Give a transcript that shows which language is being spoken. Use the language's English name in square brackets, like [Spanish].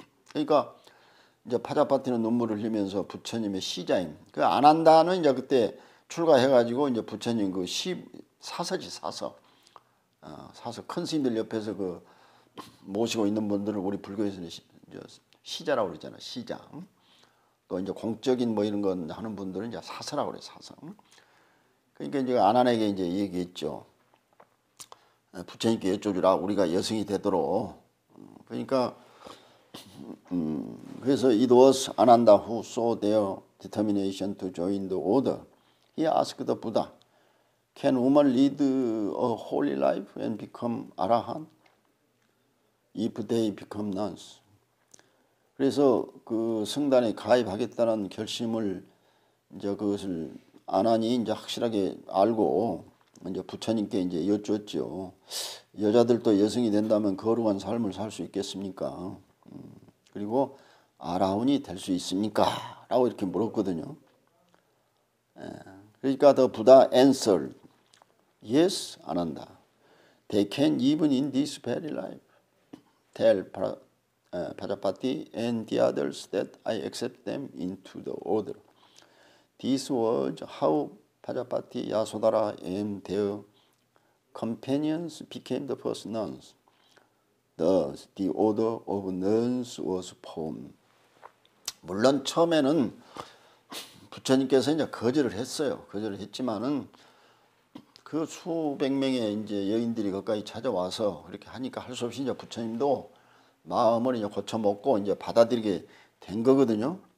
[Korean] 그러니까 이제 파자파티는 눈물을 흘리면서 부처님의 시자인 그 아난다는 이제 그때 출가해가지고 이제 부처님 그 시 사서지 사서 사서 큰 스님들 옆에서 그 모시고 있는 분들을 우리 불교에서는 시자라고 그러잖아요. 시자. 또 이제 공적인 뭐 이런 건 하는 분들은 이제 사서라고 그래요. 사서. 그러니까 이제 아난에게 이제 얘기했죠. 부처님께 여쭤주라. 우리가 여승이 되도록. 그러니까 그래서 [English] it was Ananda who saw their determination to join the order. He asked the Buddha, can woman lead a holy life and become Arahant if they become nuns? [Korean] 그래서 그 성단에 가입하겠다는 결심을 이제 그것을 아난이 이제 확실하게 알고 이제 부처님께 이제 여쭈었죠. 여자들도 여성이 된다면 거룩한 삶을 살 수 있겠습니까? 그리고 아라운이 될 수 있습니까? 라고 이렇게 물었거든요. 그러니까 [English] the Buddha answered, yes, [Korean] 안 한다. [English] They can even in this very life tell Pajapati and the others that I accept them into the order. This was how Pajapati, Yasodhara and their companions became the first nuns. Thus, the order of nuns was formed. [Korean] 물론 처음에는 부처님께서 이제 거절을 했어요. 거절을 했지만은 그 수백 명의 이제 여인들이 거기까지 찾아와서 그렇게 하니까 할 수 없이 이제 부처님도 마음을 이제 고쳐먹고 이제 받아들이게 된 거거든요.